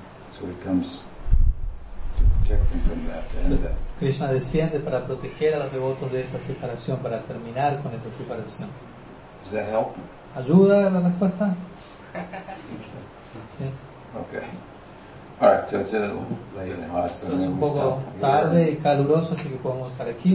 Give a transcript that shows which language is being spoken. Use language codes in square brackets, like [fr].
[en] So he comes to protect them from that, to end that. [es] Krishna desciende para proteger a los devotos de esa separación, para terminar con esa separación. [en] Does that help? [es] ¿Ayuda la respuesta? [en] Okay. All right, so it's a little late and hot, so [es] es un poco tarde y caluroso, así que podemos estar aquí.